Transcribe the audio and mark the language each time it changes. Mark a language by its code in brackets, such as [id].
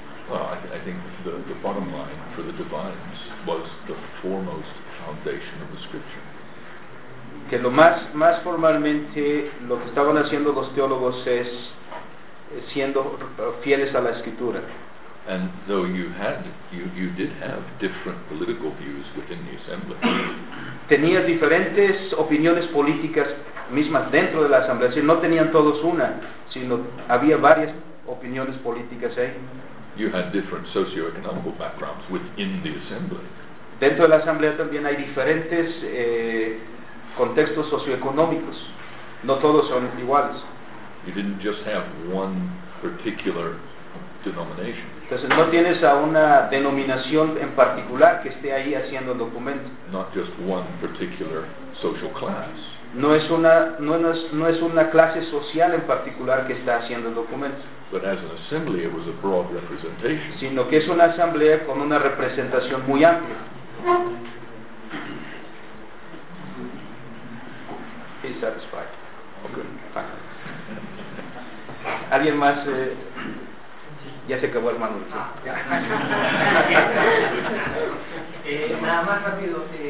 [en] Well, I think the bottom line for the divines was the foremost foundation of the scripture. [es] Que lo más formalmente lo que estaban haciendo los teólogos es siendo fieles a la escritura. [en] And though you did have different political views within the assembly. [es] Tenías diferentes opiniones políticas mismas dentro de la asamblea, es decir, no tenían todos una, sino había varias opiniones políticas ahí. [en] You had different socio-economic backgrounds within the assembly. [es] Dentro de la asamblea también hay diferentes contextos socioeconómicos. No todos son iguales. [en] You didn't just have one particular denomination. [es] Entonces no tienes a una denominación en particular que esté ahí haciendo el documento. [en] Not just one particular social class. [es] No es una clase social en particular que está haciendo el documento. [en] But as an assembly, it was a broad representation. [es] Sino que es una asamblea con una representación muy amplia. [en] He's satisfied. Okay. [es] Fine. ¿Alguien más? Ya se acabó, hermano. Nada más rápido.